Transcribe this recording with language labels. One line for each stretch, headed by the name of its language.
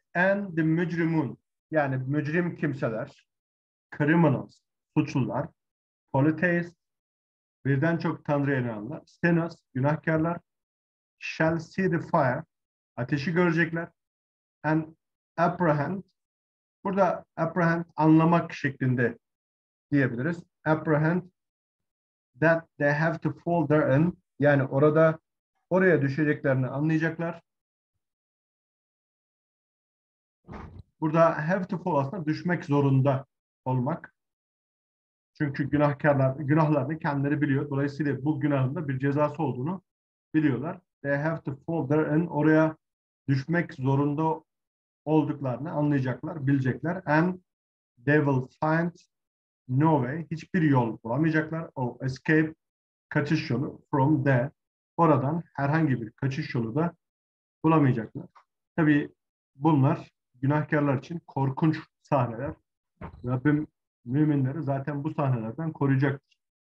English: And the
Turkish: mücrimun yani mücrim kimseler
English: criminals,
Turkish: suçlular
English: polytheist
Turkish: birden çok tanrıya inananlar
English: sinners,
Turkish: günahkarlar
English: shall see the fire
Turkish: ateşi görecekler
English: and apprehend
Turkish: burada
English: apprehend
Turkish: anlamak şeklinde diyebiliriz.
English: Apprehend that they have to fall therein.
Turkish: Yani orada oraya düşeceklerini anlayacaklar. Burada
English: have to fall
Turkish: aslında düşmek zorunda olmak. Çünkü günahkarlar, günahlarını kendileri biliyor. Dolayısıyla bu günahın da bir cezası olduğunu biliyorlar.
English: They have to fall therein.
Turkish: Oraya düşmek zorunda olduklarını anlayacaklar, bilecekler.
English: And they will find no way.
Turkish: Hiçbir yol bulamayacaklar. O
English: escape
Turkish: kaçış yolu
English: from there.
Turkish: Oradan herhangi bir kaçış yolu da bulamayacaklar. Tabii bunlar günahkarlar için korkunç sahneler. Rabbim müminleri zaten bu sahnelerden koruyacaktır.